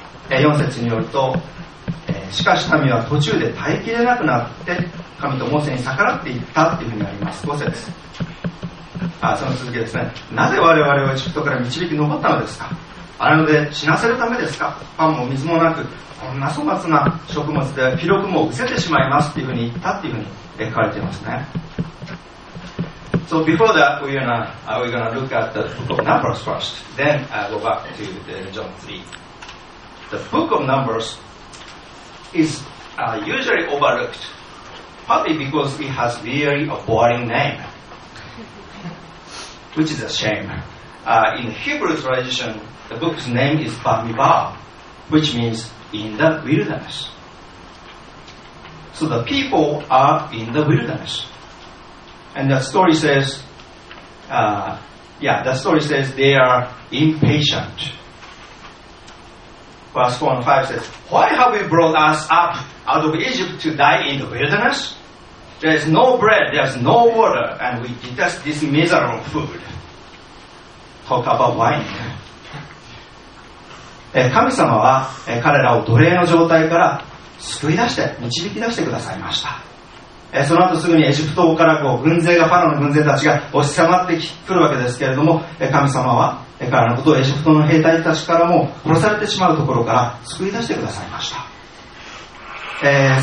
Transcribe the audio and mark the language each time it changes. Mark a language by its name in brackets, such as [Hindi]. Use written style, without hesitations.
[Japanese] 4節によると、しかし民は途中で耐えきれなくなって神とモーセに逆らっていったというふうにあります。 5節、その続きですね。なぜ我々をエジプトから導き上ったのですか。あれので死なせるためですか。パンも水もなく、こんな粗末な食物で疲労も失せてしまいますというふうに言ったというふうに書かれていますね。 [English] So before that we're gonna, look at the book of Numbers first. Then go back to the John 3. The book of Numbers is usually overlooked, partly because it has really a boring name, which is a shame. In Hebrew tradition, the book's name is Bamidbar, which means in the wilderness. So the people are in the wilderness. And the story says, they are impatient. Verse 4 and 5 says, Why have you brought us up out of Egypt to die in the wilderness? There is no bread, there is no water, and we detest this miserable food. Talk about wine. [Japanese] 神様は彼らを奴隷の状態から救い出して、導き出してくださいました。その後すぐにエジプトからこう軍勢が、ファラオの軍勢たちが押し迫ってくるわけですけれども、神様は彼のことをエジプトの兵隊たちからも殺されてしまうところから救い出してくださいました。